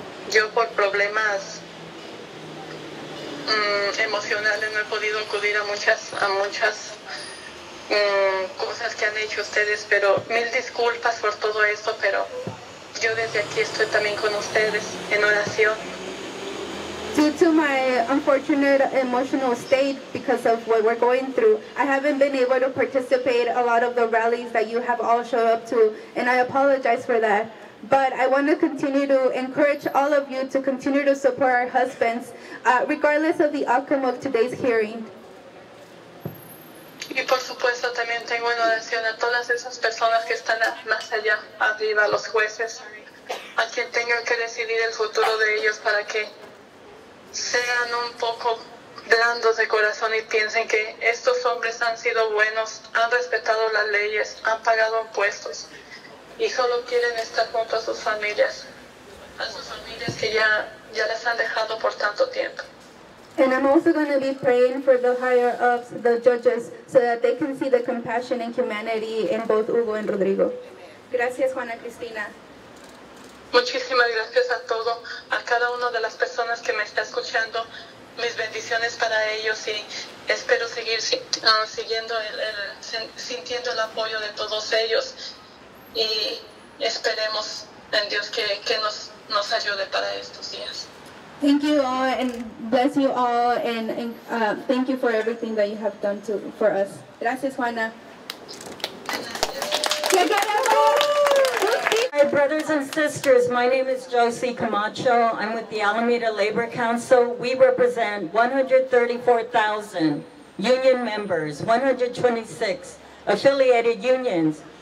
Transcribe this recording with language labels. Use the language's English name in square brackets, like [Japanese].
[Spanish] Yo por problemas emocionales no he podido acudir a muchas cosas que han hecho ustedes, pero mil disculpas por todo esto, pero yo desde aquí estoy también con ustedes en oración. [English] Due to my unfortunate emotional state because of what we're going through, I haven't been able to participate a lot of the rallies that you have all showed up to, and I apologize for that. But I want to continue to encourage all of you to continue to support our husbands, regardless of the outcome of today's hearing. [Spanish] Y por supuesto, también tengo en oración a todas esas personas que están más allá, arriba, los jueces, a quien tengan que decidir el futuro de ellos para que sean un poco blandos de corazón y piensen que estos hombres han sido buenos, han respetado las leyes, han pagado impuestos y solo quieren estar junto a sus familias que ya las han dejado por tanto tiempo. [English] And I'm also going to be praying for the higher ups, the judges, so that they can see the compassion and humanity in both Hugo and Rodrigo. [Spanish] Gracias, Juana Cristina. Muchísimas gracias a todo, a cada una de las personas que me está escuchando. Mis bendiciones para ellos y espero seguir sintiendo el apoyo de todos ellos, y esperemos en Dios que nos ayude para estos días. [English] Thank you all and bless you all and thank you for everything that you have done for us. [Spanish] Gracias, Juana. [English] Hi, brothers and sisters. My name is Josie Camacho. I'm with the Alameda Labor Council. We represent 134,000 union members, 126 affiliated unions.